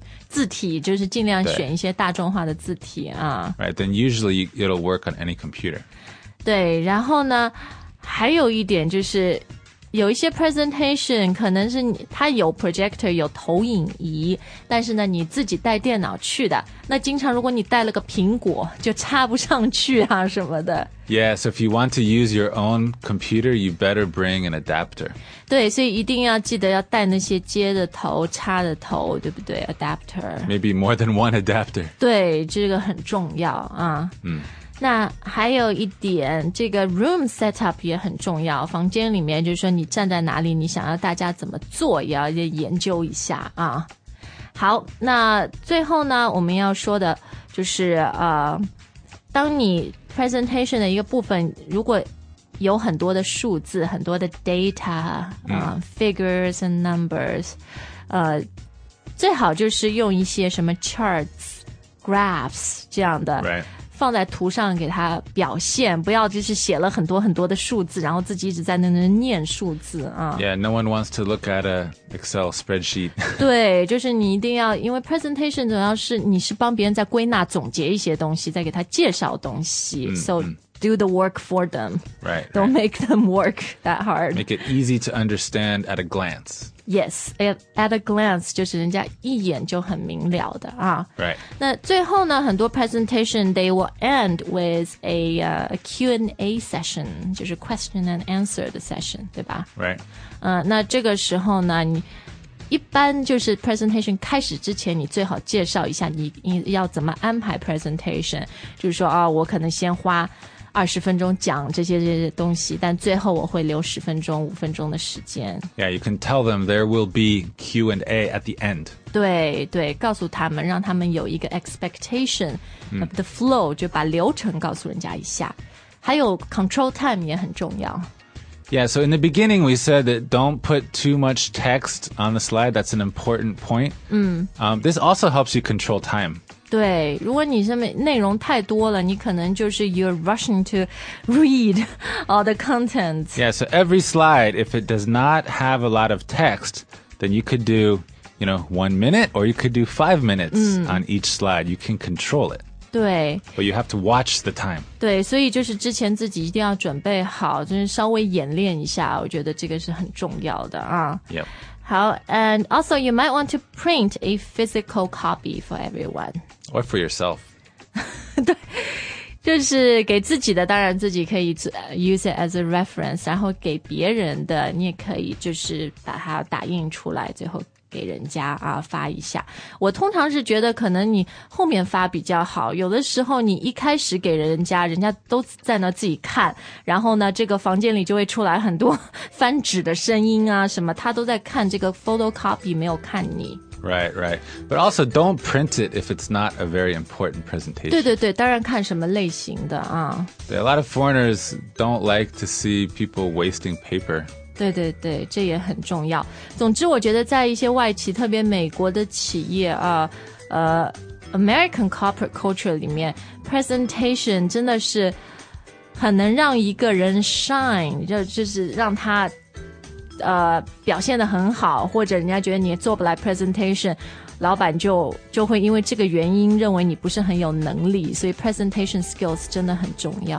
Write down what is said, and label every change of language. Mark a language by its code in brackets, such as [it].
[zh] 字体就是尽量选一些大众化的字体啊。 [en] Right, then usually it'll work on any computer. [zh] 对，然后呢，还有一点就是有一些 presentation 可能是它有 projector 有投影仪但是呢你自己带电脑去的那经常如果你带了个苹果就插不上去啊什么的 [en] Yeah, so if you want to use your own computer you better bring an adapter [zh] 对所以一定要记得要带那些接的头插的头对不对 adapter [en] Maybe more than one adapter [zh] 对这个很重要啊那还有一点这个 room setup 也很重要房间里面就是说你站在哪里你想要大家怎么做也要研究一下啊。好，那最后呢，我们要说的就是当你 presentation 的一个部分，如果有很多的数字，很多的 data, [en] figures and numbers, [zh] 最好就是用一些什么 charts, graphs, 这样的。 [en] Right. [zh] 放在图上给它表现，不要就是写了很多很多的数字，然后自己一直在那边念数字啊。 [en] Yeah, no one wants to look at an Excel spreadsheet. [zh] 对，就是你一定要，因为 presentation 主要是你是帮别人在归纳总结一些东西，再给他介绍东西。 [en] Mm-hmm. So do the work for them. Right. Don't make them work that hard. Make it easy to understand at a glance. Yes, at a glance, [zh] 就是人家一眼就很明了的啊。 [en] Right. [zh] 那最后呢，很多 [en] presentation, they will end with a Q&A session, 就是 question and answer 的 session, [zh] 对吧？ [en] Right. [zh] 那这个时候呢，你一般就是 presentation 开始之前，你最好介绍一下你要怎么安排 presentation, 就是说啊，我可能先花20分钟讲这些东西，但最后我会留10分钟、5分钟的时间。 [en] Yeah, you can tell them there will be Q&A at the end. [zh] 对对，告诉他们，让他们有一个 [en] expectation of the flow, [zh] 就把流程告诉人家一下。还有 control time 也很重要。 [en] Yeah, so in the beginning, we said that don't put too much text on the slide. That's an important point. This also helps you control time. [zh] 对，如果你上面内容太多了，你可能就是 [en] you're rushing to read all the contents. Yeah, so every slide, if it does not have a lot of text, then you could do, you know, 1 minute or you could do 5 minutes on each slide. You can control it. [zh] 对。 [en] But you have to watch the time. [zh] 对，所以就是之前自己一定要准备好，就是稍微演练一下，我觉得这个是很重要的啊。 [en] Yep. 好 and also you might want to print a physical copy for everyone. Or for yourself. [zh] 对，就是给自己的，当然自己可以 [en] use it as a reference, [zh] 然后给别人的，你也可以就是把它打印出来，最后给人家啊发一下。我通常是觉得可能你后面发比较好，有的时候你一开始给人家，人家都在那自己看，然后呢这个房间里就会出来很多翻纸的声音啊什么，他都在看这个 photocopy, 没有看你。 [en] Right, right. But also don't print it if it's not a very important presentation. [zh] 对对对，当然看什么类型的啊。 [en] A lot of foreigners don't like to see people wasting paper. [zh] 对对对，这也很重要。总之我觉得在一些外企，特别美国的企业 [en] American corporate culture [zh] 里面， presentation 真的是很能让一个人 shine, 就是让他表现得很好，或者人家觉得你做不来 presentation, 老板就会因为这个原因认为你不是很有能力，所以 presentation skills 真的很重要。